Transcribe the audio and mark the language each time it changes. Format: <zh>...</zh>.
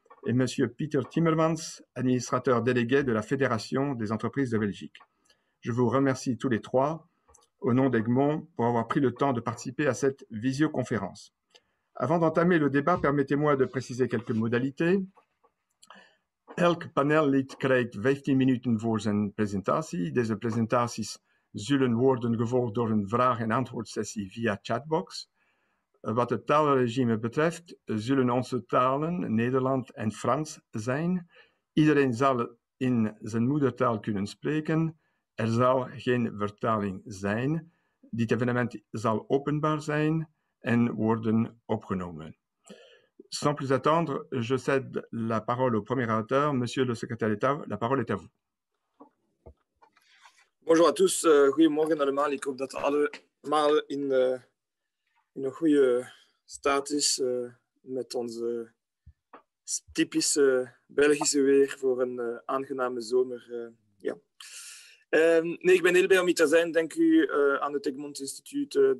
<fr>Et Monsieur Peter Timmermans, administrateur délégué de la Fédération des entreprises de Belgique. Je vous remercie tous les trois, au nom d'Egmont, pour avoir pris le temps de participer à cette visioconférence. Avant d'entamer le débat, permettez-moi de préciser quelques modalités.</fr> <nl>Elk panel lid krijgt 15 minuten voor zijn presentatie. Deze presentaties zullen worden gevolgd door een vraag-en-antwoord-sessie via chatbox. Wat het taalregime betreft, zullen onze talen Nederland en Frans zijn. Iedereen zal in zijn moedertaal kunnen spreken. Er zal geen vertaling zijn. Dit evenement zal openbaar zijn en worden opgenomen.</nl> <fr>Sans plus attendre, je cède la parole au premier orateur, Monsieur le Secrétaire d'État. La parole est à vous. Bonjour à tous,</fr> <nl>goedemorgen allemaal. Ik hoop dat allemaal in een goede staat is met ons typische Belgische weer voor een aangename zomer. Nee, ik ben heel blij om hier te zijn. Dank u aan het Egmont Instituut.</nl>